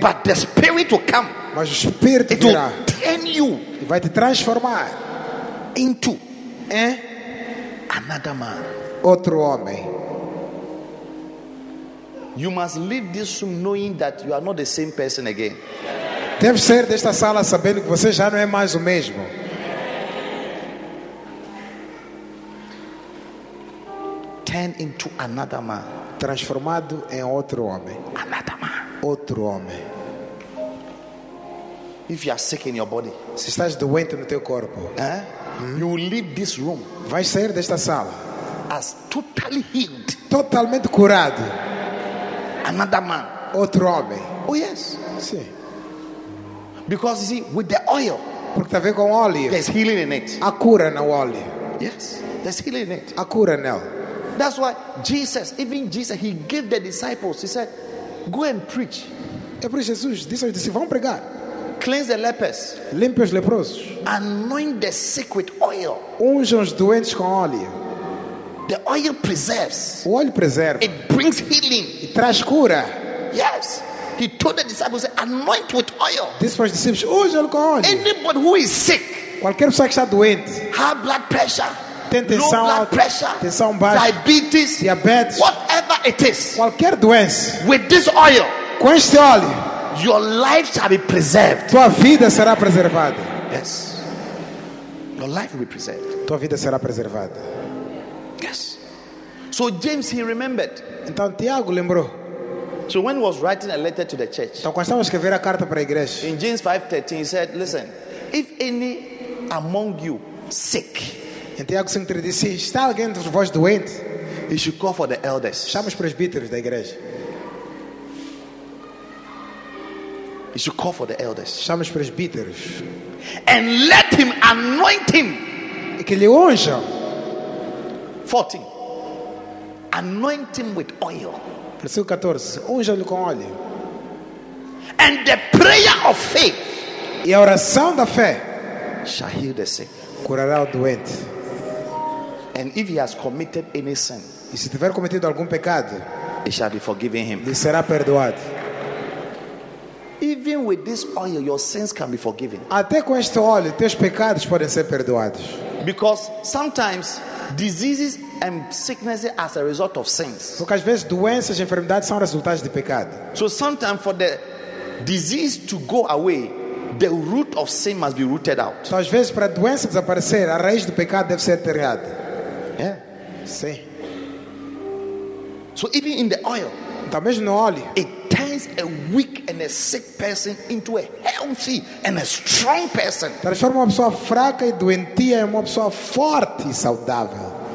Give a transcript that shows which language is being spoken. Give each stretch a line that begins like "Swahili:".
English: But the spirit will come.
Portuguese: Mas o espírito
English: it
Portuguese: virá.
English: Will turn you.
Portuguese: E vai te transformar
English: into
Portuguese: em
English: another man.
Portuguese: Outro homem.
English: You must leave this room knowing that you are not the same person again.
Portuguese: Deve sair desta sala sabendo que você já não é mais o mesmo.
English: Turn into another man.
Portuguese: Transformado em outro homem.
English: Another man.
Portuguese: Outro homem.
English: If you are sick in your body,
Portuguese: se estás doente no teu corpo,
English: You will leave this room.
Portuguese: Vai sair desta sala
English: as totally healed.
Portuguese: Totalmente curado.
English: Another man.
Portuguese: Outro homem.
English: Oh yes.
Portuguese: Sim.
English: Because you see, with the oil,
Portuguese: porque tá a ver com óleo,
English: there's healing in it.
Portuguese: A cura no óleo.
English: Yes, there's healing in it.
Portuguese: A cura nela.
English: That's why Jesus, even Jesus, he gave the disciples. He said, "Go and preach."
Portuguese: É por isso Jesus disse aos discípulos, vão pregar.
English: Cleanse the lepers.
Portuguese: Limpe os leprosos.
English: Anoint the sick with oil.
Portuguese: Unge os doentes com óleo.
English: The oil preserves.
Portuguese: O óleo preserva.
English: It brings healing.
Portuguese: E traz cura.
English: Yes. He told the disciples, anoint with oil.
Portuguese: Disse para os discípulos, unge com óleo.
English: Anybody who is sick.
Portuguese: Qualquer pessoa que está doente.
English: High blood pressure.
Portuguese: Tem tensão alta,
English: pressure,
Portuguese: tensão baixa,
English: diabetes,
Portuguese: diabetes,
English: whatever it is,
Portuguese: qualquer doença,
English: with this oil,
Portuguese: com este óleo,
English: your life shall be preserved.
Portuguese: Tua vida será preservada.
English: Yes. Your life will be preserved.
Portuguese: Tua vida será preservada.
English: Yes. So James, he remembered.
Portuguese: Então Tiago lembrou.
English: So when he was writing a letter to the church,
Portuguese: então quando estava a escrever a carta para a igreja,
English: in James 5:13, he said, "Listen, if any among you sick."
Portuguese: Em Tiago 5:13 diz, se está alguém entre vós doente,
English: you should call for the elders.
Portuguese: Chama os presbíteros da igreja.
English: You should call for the elders.
Portuguese: Chama os presbíteros.
English: And let him anoint him.
Portuguese: E que lhe unja.
English: 14. Anoint him with oil.
Portuguese: Versículo 14. Unja-lhe com óleo.
English: And the prayer of faith.
Portuguese: E a oração da fé.
English: Shall heal the sick.
Portuguese: Curará o doente.
English: And if he has committed any sin,
Portuguese: e se tiver cometido algum pecado,
English: it shall be forgiven him.
Portuguese: Lhe será perdoado.
English: Even with this oil, your sins can be forgiven.
Portuguese: Até com este óleo, teus pecados podem ser perdoados.
English: Because sometimes diseases and sicknesses are a result of sins.
Portuguese: Porque às vezes doenças e enfermidades são resultados de pecado.
English: So sometimes for the disease to go away, the root of sin must be rooted out.
Portuguese: Então, às vezes para a doença desaparecer, a raiz do pecado deve ser tirada.
English: Yeah.
Portuguese: Sim.
English: So even in the oil,
Portuguese: então, mesmo no óleo,
English: it turns a weak and a sick person into a healthy and a strong person.
Portuguese: Transforma uma pessoa fraca e doentia em uma pessoa forte e saudável.